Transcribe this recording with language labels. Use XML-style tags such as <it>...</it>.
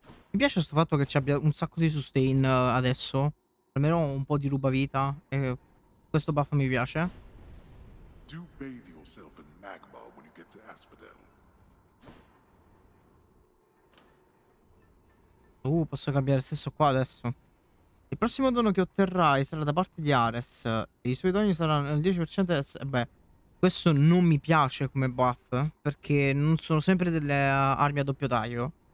<it>Mi piace questo fatto che ci abbia un sacco di sustain adesso. Almeno un po' di ruba vita. Questo buff mi piace.</it> <en>Do bathe yourself in magma when you get to Asphodel.</en> <it>Posso cambiare stesso qua adesso. Il prossimo dono che otterrai sarà da parte di Ares. I suoi doni saranno il 10% di Asphodel. Beh, questo non mi piace come buff, perché non sono sempre delle armi a doppio taglio.</it>